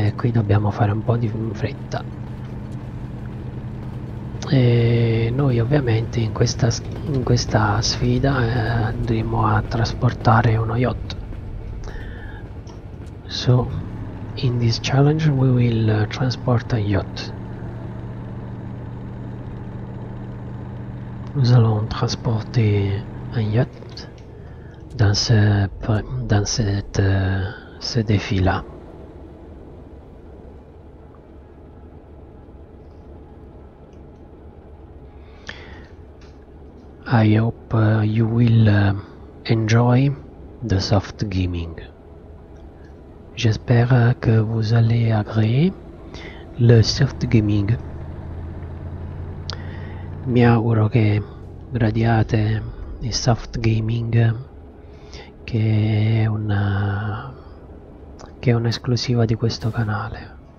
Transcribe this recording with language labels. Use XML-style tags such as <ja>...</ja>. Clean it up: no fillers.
<it>Dobbiamo fare un po' di fretta e noi ovviamente in questa sfida andremo a trasportare uno yacht.</it> <en>So in this challenge we will transport a yacht.</en> <fr>Nous allons transporter un yacht dans ce défi là.</fr> <en>I hope you will enjoy the soft gaming.</en> <fr>J'espère que vous allez agréer le soft gaming.</fr> <it>Mi auguro che gradiate il soft gaming, che è un'esclusiva di questo canale.</it>